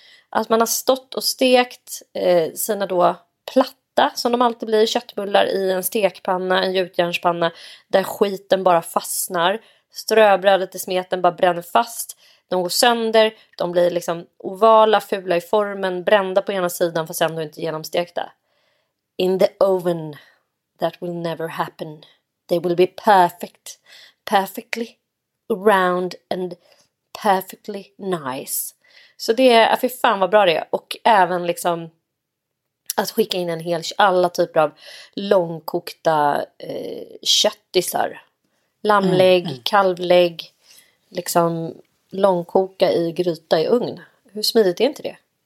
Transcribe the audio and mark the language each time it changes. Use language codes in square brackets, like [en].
[sv] Att man har stått och stekt sina då platta, som de alltid blir, köttbullar i en stekpanna, en gjutjärnspanna. Där skiten bara fastnar. Ströbrödet i smeten bara bränner fast. De går sönder, de blir liksom ovala, fula i formen, brända på ena sidan fast ändå inte genomstekta. [en] In the oven, that will never happen. They will be perfect, perfectly round and perfectly nice. [sv] Så det är, fy fan vad bra det är. Och även liksom att skicka in en hel, alla typer av långkokta köttisar. Lamlägg, kalvlägg, liksom långkoka i gryta i ugn. Hur smidigt är inte det?